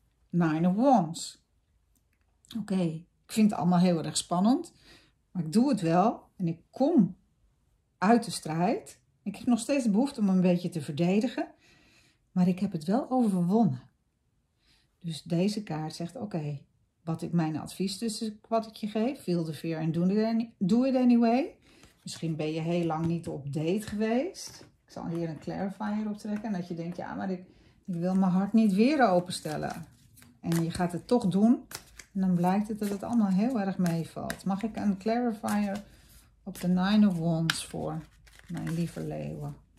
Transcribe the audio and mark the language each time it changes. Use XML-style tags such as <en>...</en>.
<nl>Nine of Wands. Oké, ik vind het allemaal heel erg spannend. Maar ik doe het wel. En ik kom uit de strijd. Ik heb nog steeds de behoefte om een beetje te verdedigen. Maar ik heb het wel overwonnen. Dus deze kaart zegt, oké, wat ik mijn advies dus wat ik je geef.</nl> <en>Feel the fear and do it anyway.</en> <nl>Misschien ben je heel lang niet op date geweest. Ik zal hier een clarifier op trekken. En dat je denkt, ja, maar ik wil mijn hart niet weer openstellen. En je gaat het toch doen. En dan blijkt het dat het allemaal heel erg meevalt. Mag ik een clarifier op de Nine of Wands voor mijn lieve leeuwen?</nl>